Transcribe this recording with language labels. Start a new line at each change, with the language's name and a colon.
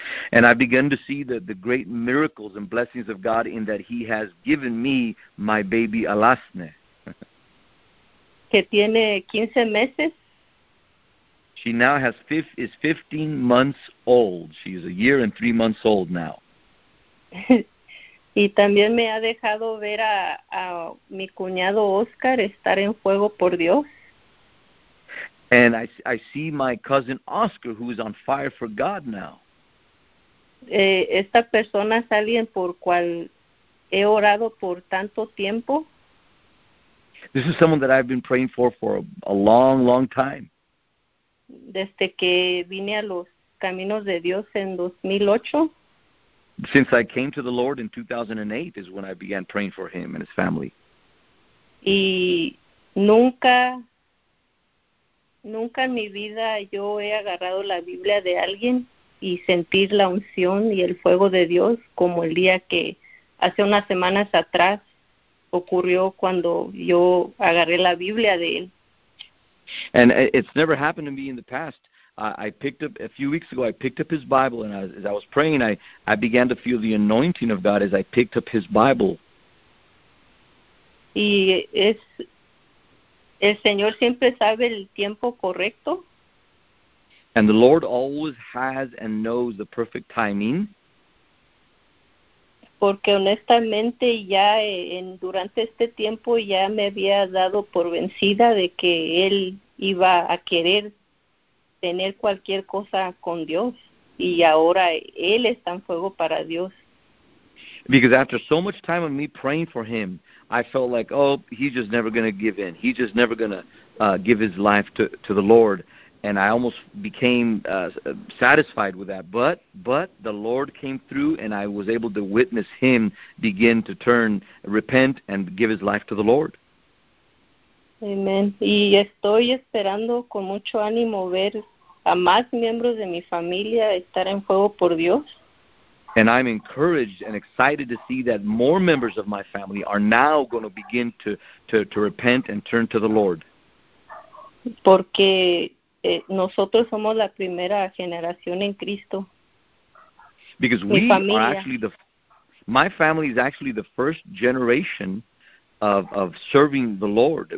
English: And I begin to see the great miracles and blessings of God in that he has given me my baby Alasne.
Spanish: Que tiene 15 meses.
English: She now is 15 months old. She is a year and 3 months old now.
Spanish: Y también me ha dejado ver a mi cuñado Oscar estar en fuego por Dios.
English: And I see my cousin Oscar, who is on fire for God now.
Spanish: Esta persona es alguien por cual he orado por tanto tiempo.
English: This is someone that I've been praying for a long, long time.
Spanish: Desde que vine a los caminos de Dios en 2008.
English: Since I came to the Lord in 2008 is when I began praying for him and his family.
Spanish: Y nunca, nunca en mi vida yo he agarrado la Biblia de alguien y sentir la unción y el fuego de Dios como el día que hace unas semanas atrás ocurrió cuando yo agarré la Biblia de él.
English: And it's never happened to me in the past. I picked up, a few weeks ago, I picked up his Bible, and as I was praying, I began to feel the anointing of God as I picked up his Bible.
Spanish: Y es, el Señor siempre sabe el tiempo correcto.
English: And the Lord always has and knows the perfect timing.
Spanish: Porque honestamente ya durante este tiempo ya me había dado por vencida de que él iba a querer tener cualquier cosa con Dios. Y ahora él está en fuego para Dios.
English: Because after so much time of me praying for him, I felt like, oh, he's just never going to give in. He's just never going to give his life to the Lord. And I almost became satisfied with that. But the Lord came through and I was able to witness him begin to turn, repent, and give his life to the Lord. Amen.
Spanish: Y estoy esperando con mucho ánimo ver a más miembros de mi familia estar en fuego por Dios.
English: And I'm encouraged and excited to see that more members of my family are now going to begin to repent and turn to the Lord.
Spanish: Porque nosotros somos la primera generación en Cristo.
English: Because we are actually my family is actually the first generation of serving the Lord.